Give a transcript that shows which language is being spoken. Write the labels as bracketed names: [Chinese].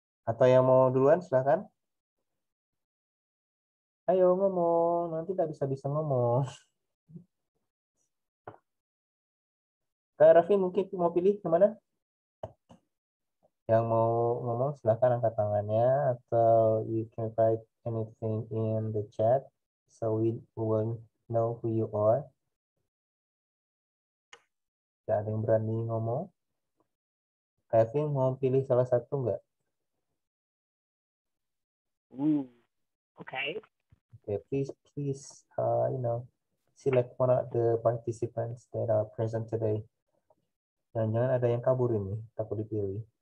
[Indonesian] Atau yang mau duluan silakan. Ayo ngomong, nanti gak bisa-bisa ngomong. Kak Raffi mungkin mau pilih kemana? Yang mau ngomong silakan angkat tangannya. Atau [English] you can write anything in the chat so we will know who you are. [Indonesian] Gak ada yang berani ngomong. Kevin mau pilih salah satu enggak? [English] Okay. Please, you know, select one of the participants that are present today. [Indonesian] Jangan-jangan ada yang kabur ini, takut dipilih.